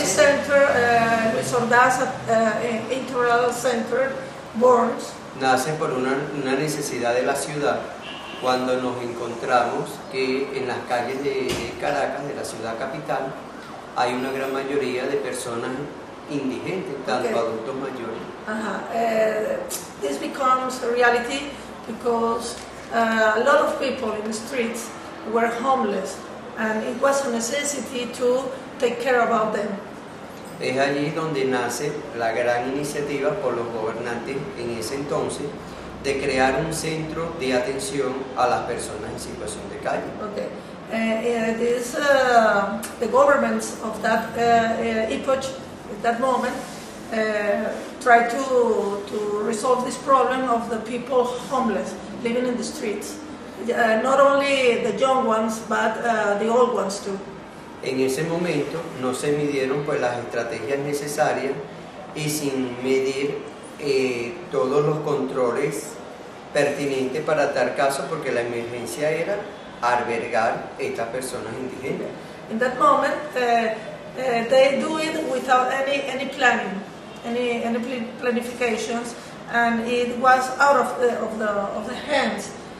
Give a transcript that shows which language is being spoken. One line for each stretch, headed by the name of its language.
English: This center, Luis Ordaz Integral Center, born.
Spanish: Nace por una necesidad de la ciudad cuando nos encontramos que en las calles de Caracas, de la ciudad capital, hay una gran mayoría de personas indigentes, tanto okay. adultos mayores.
English: This becomes a reality because a lot of people in the streets were homeless. And it was a necessity to take care about them.
Spanish: Es allí donde nace la gran iniciativa por los gobernantes en ese entonces de crear un centro de atención a las personas en situación de calle.
English: Okay. This the governments of that epoch, at that moment, tried to resolve this problem of the people homeless living in the streets. Not only the young ones, but the old ones too.
Spanish: En ese momento no se midieron pues las estrategias necesarias y sin medir todos los controles pertinentes para tal caso, porque la emergencia era albergar estas personas indigentes.
English: In that moment, they do it without any planning, any planifications, and it was out of the hands.